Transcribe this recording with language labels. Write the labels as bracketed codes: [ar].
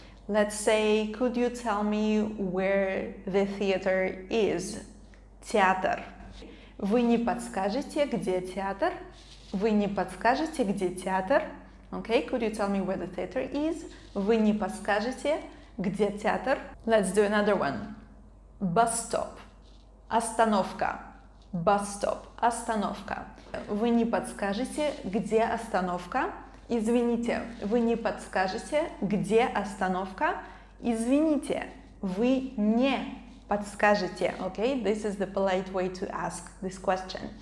[en] Let's say, could you tell me where the theater is? [ru] Театр. Вы не подскажете, где театр? Вы не подскажете, где театр? [en] Okay, could you tell me where the theater is? [ru] Вы не подскажете, где театр? [en] Let's do another one. Bus stop. Остановка. Bus stop. Остановка. [ru] Вы не подскажете, где остановка? Извините, вы не подскажете, где остановка? Извините, вы не подскажете. [en] Okay, this is the polite way to ask this question.